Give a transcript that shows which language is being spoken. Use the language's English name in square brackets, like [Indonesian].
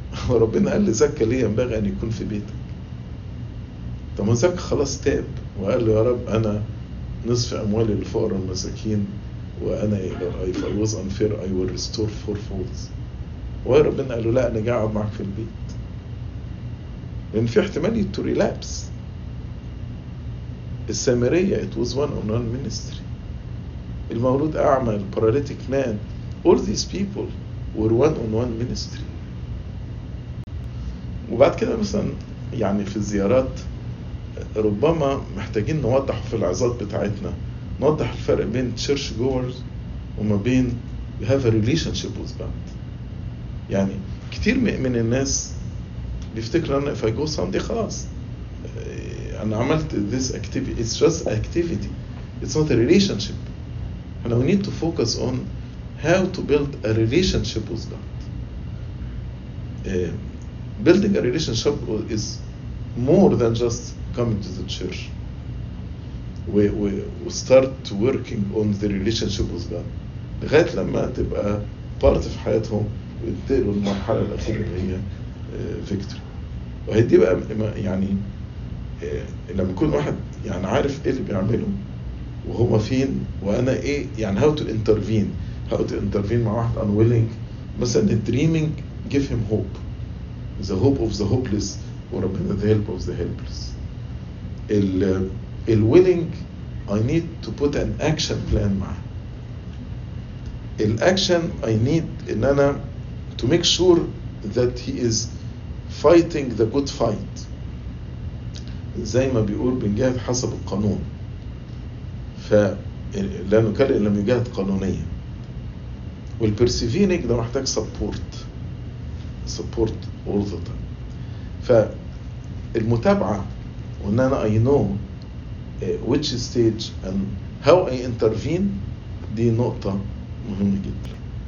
[Arabic] ربنا قال لزكا ليه ينبغي أن يكون في بيتك؟ طب زكا خلاص تاب وقال له يا رب أنا نصف أموالي للفقراء المساكين, وأنا [English] if I was unfair I will restore four folds. [Arabic] وربنا قال له لا أنا قاعد معك في البيت, لأن في احتمال [English] to relapse. السامرية it was one on one ministry. [Arabic] المولود أعمى, [English] paralytic man, all these people were one on one ministry. [Arabic] وبعد كده مثلا يعني في الزيارات ربما محتاجين نوضح في العظات بتاعتنا, نوضح الفرق بين [English] church goers [Arabic] وما بين [English] you have a relationship with God. [Arabic] يعني كتير من الناس بيفتكر أنا [English] if I go Sunday [Arabic] خلاص أنا عملت [English] this activity, it's just activity, it's not a relationship. And we need to focus on how to build a relationship with God. Building a relationship is more than just coming to the church. We start working on the relationship with God. [Arabic] لغاية لما تبقى [English] part of [Arabic] حياتهم وينتقلوا المرحلة الأخيرة اللي هي [English] victory. [Arabic] وهي دي بقى يعني لما يكون واحد يعني عارف ايه اللي بيعمله وهما فين وانا ايه, يعني [English] how to intervene [Arabic] مع واحد [English] unwilling [Arabic] مثلا [English] dreaming, give him hope, the hope of the hopeless [Arabic] وربنا [English] the help of the helpless. ال willing, I need to put an action plan [Arabic] معه. [English] الاكشن I need [Arabic] ان انا [English] to make sure that he is fighting the good fight. [Arabic] زي ما بيقول بنجاهد حسب القانون. فلا نكرر لم يجاهد قانونيا. والبرسيفينج ده محتاج سبورت. سبورت غلطة. فالمتابعة وان انا [English] I know which stage and how I intervene [Arabic] دي نقطة مهمة جدا.